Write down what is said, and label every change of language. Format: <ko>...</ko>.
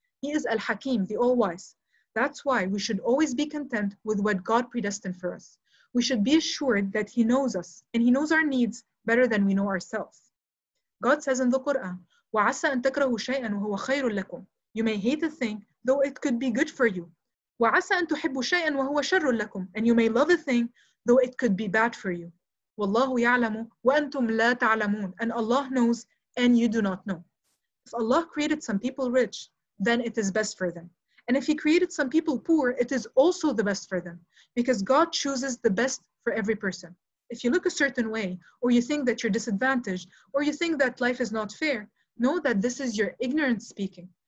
<en>He is Al-Hakim, the All-Wise. That's why we should always be content with what God predestined for us. We should be assured that He knows us and He knows our needs better than we know ourselves. God says in the Quran,</en> <ar>وَعَسَى أَن تَكْرَهُ شَيْئًا وَهُوَ خَيْرٌ لَكُمْ</ar> <en>You may hate a thing, though it could be good for you.</en> <ar>وعسى أن تحبوا شيئا وهو شر لكم.</ar> <en>And you may love a thing though it could be bad for you.</en> <ar>والله يعلم وأنتم لا تعلمون.</ar> <en>And Allah knows and you do not know. If Allah created some people rich, then it is best for them. And if He created some people poor, it is also the best for them. Because God chooses the best for every person. If you look a certain way, or you think that you're disadvantaged, or you think that life is not fair, know that this is your ignorance speaking.</en>